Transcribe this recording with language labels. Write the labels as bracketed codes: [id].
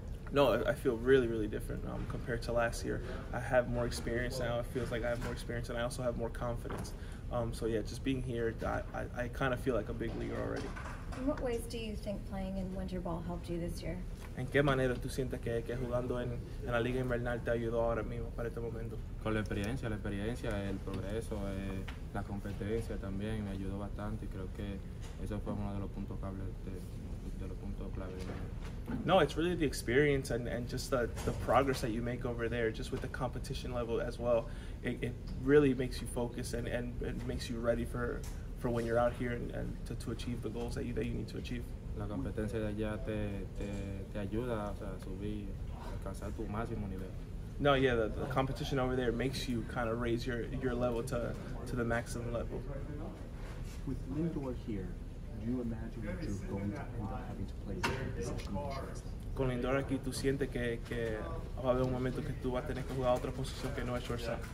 [en] No, I feel really, really different compared to last year. I have more experience now. It feels like I have more experience, and I also have more confidence. Just being here, I kind of feel like a big leaguer already. In what ways do you think playing in winter ball helped you this year? [es] ¿En qué manera tú sientes que jugando en la liga invernal te ayudó ahora mismo para este momento? Con la experiencia, el progreso, la competencia también me ayudó bastante, y creo que eso fue uno de los puntos claves de los puntos clave. [en] No, it's really the experience and just the progress that you make over there, just with the competition level as well. It really makes you focus and it makes you ready for when you're out here and to achieve the goals that you need to achieve. [es] La competencia de allá te ayuda a subir, alcanzar tu máximo nivel. [en] No, yeah, the competition over there makes you kind of raise your level to the maximum level. With Lindor here, do you imagine that you're going to end up having to play different positions in the shortstop? [es] Con Lindor aquí, tú sientes que va a haber un momento que tú vas a tener que jugar otra posición que no es shortstop.